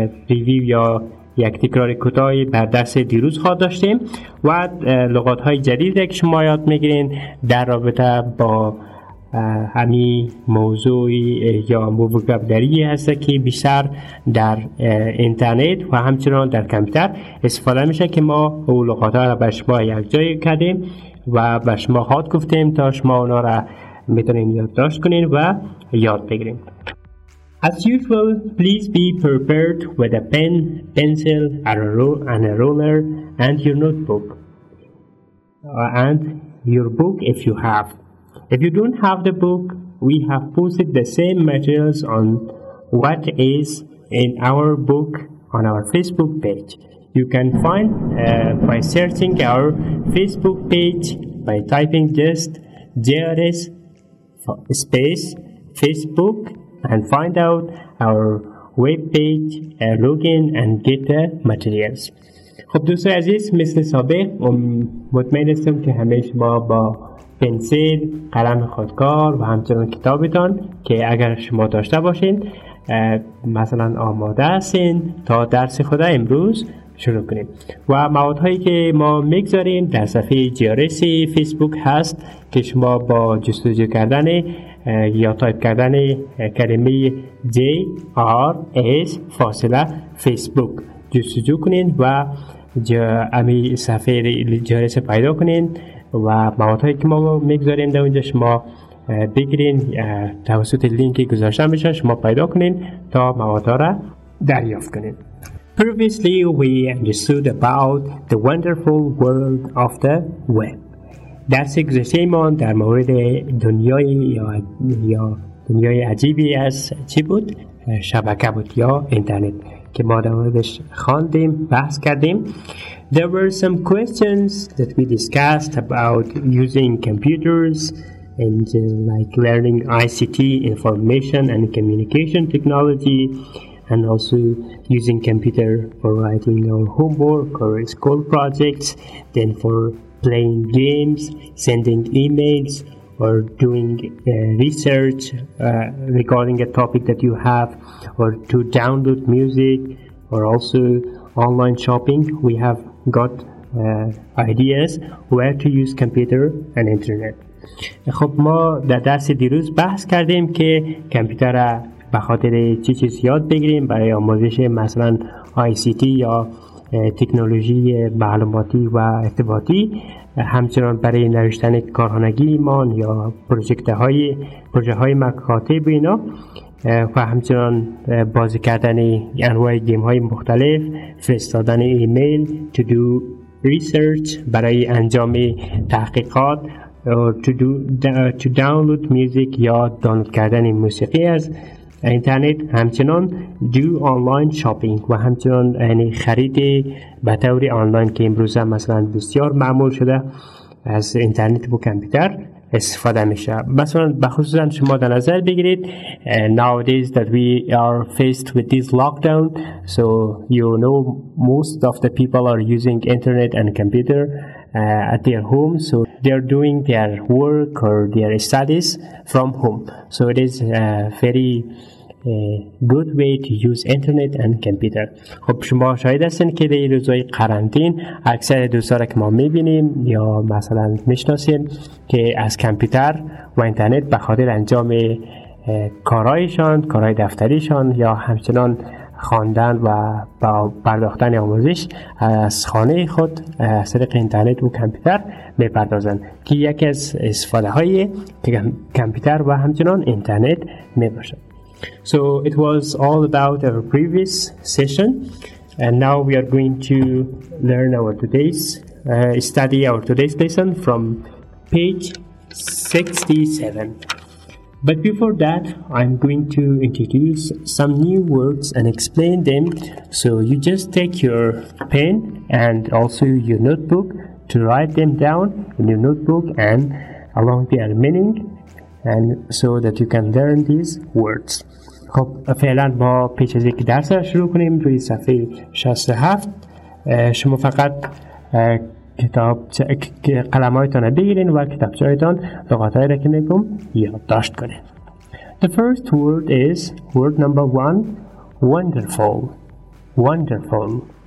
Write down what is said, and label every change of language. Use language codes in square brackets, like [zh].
[fa] ریویو یا یک تکرار کوتاهی بر درس دیروز خواهد داشتیم و لغات های جدید که شما یاد میگیرین در رابطه با همی موضوعی یا موبوکبدری هست که بیشتر در اینترنت و همچنان در کمپیوتر استفاده میشه که ما اون لغات ها را به شما یک جای کردیم و به شما خواهد گفتیم تا شما اونا را میتونین یاد داشت کنین و یاد بگیرین. [en] As usual, please be prepared with a pen, pencil, and a ruler and your notebook and your book if you have. If you don't have the book, we have posted the same materials on what is in our book on our Facebook page. You can find by searching our Facebook page by typing just JRS space Facebook and find out our web page, login and get the materials. [fa] خب دوستو عزیز، مثل سابق مطمئن هستم که همه شما با پنسل، قلم خودکار و همچنان کتابتان که اگر شما داشته باشین مثلا آماده هستین تا درس خود امروز شروع کنیم و مواد هایی که ما میگذاریم در صفحه GRS فیسبوک هست که شما با جستجو کردن یا تایپ کردن کلمه JRS فاصله فیسبوک جستجو کنین و همی صفحه GRS پیدا کنین و مواد هایی که ما میگذاریم در اونجا شما بگیرین توسط لینکی گذاشته میشه شما پیدا کنین تا مواد ها را دریافت کنین. [en] Previously, we understood about the wonderful world of the web. [fa] درس گذشته ما در مورد دنیای یا دنیای عجیبی از چی بود؟ شبکه بود یا اینترنت که ما در موردش خواندیم، بحث کردیم. [en] There were some questions that we discussed about using computers and like learning ICT, information and communication technology, and also using computer for writing our homework or school projects, then for playing games, sending emails, or doing research regarding a topic that you have, or to download music, or also online shopping. We have got ideas where to use computer and internet. [fa] خب ما در درس دیروز بحث کردیم که کمپیوتر به خاطر چی چیز یاد بگیریم برای آموزش مثلا ICT یا تکنولوژی معلوماتی و ارتباطی، همچنان برای نوشتن کارخانگی ما یا پروژه های مکاتب اینا و همچنان بازی کردن انواع گیم های مختلف، فرستادن ایمیل، [en] to do research [fa] برای انجام تحقیقات [en] to download music [fa] یا دانلود کردن موسیقی از اینترنت، همچنان [en] do online shopping [fa] و همچنان یعنی خرید به طور آنلاین که امروز مثلا بسیار معمول شده از اینترنت و کامپیوتر استفاده میشه. مثلا بخصوصا شما در نظر بگیرید [en] nowadays that we are faced with this lockdown, so you know most of the people are using internet and computer at their home, so they are doing their work or their studies from home, so it is very good way to use internet and computer. [fa] خب شما شاید هستین که در روزهای قرنطین اکثر دوستان که ما میبینیم یا مثلا میشناسیم که از کامپیوتر و اینترنت به خاطر انجام کارهایشان، کارهای دفتریشان یا همچنان خواندن و پرداختن آموزش از خانه خود از طریق اینترنت و کامپیوتر میپردازن، که یکی از استفاده های کامپیوتر و همچنان اینترنت میباشد. [en] So it was all about our previous session, and now we are going to learn our today's study our today's lesson from page 67. But before that, I'm going to introduce some new words and explain them. So you just take your pen and also your notebook to write them down in your notebook and along their meaning, and so that you can learn these words. [fa] خب فعلا با پیش از یک درس شروع کنیم. روی صفحه 67 شما فقط کتاب قلمایتان بگیرین و کتابچه‌تان لغت‌هایی را که میگم یادداشت کنین. [en] The first word is word number 1, wonderful. Wonderful.